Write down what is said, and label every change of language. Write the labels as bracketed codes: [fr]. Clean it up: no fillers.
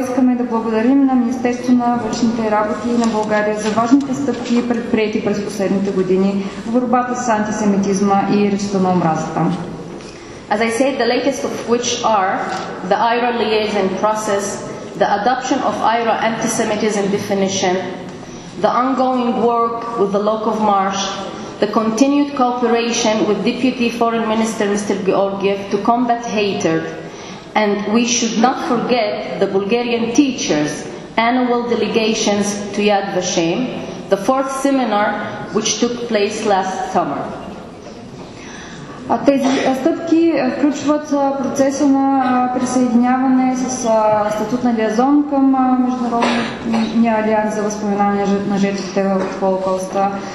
[bg] Искаме да благодарим на Министерство на външните работи и на България за важните стъпки, предприети през последните години в борбата с антисемитизма и речта на омразата. [en] As I said, the latest of which are the IRA liaison process, the adoption of IRA anti-Semitism definition, the ongoing work with the Lokov March, the continued cooperation with Deputy Foreign Minister Mr. Georgiev to combat hatred, and we should not forget the Bulgarian teachers' annual delegations to Yad Vashem, the fourth seminar which took place last summer. [bg] Тези стъпки включват процеса на присъединяване с статут на лиазон към Международния алианс за възпоменание на жертвите от Холокоста,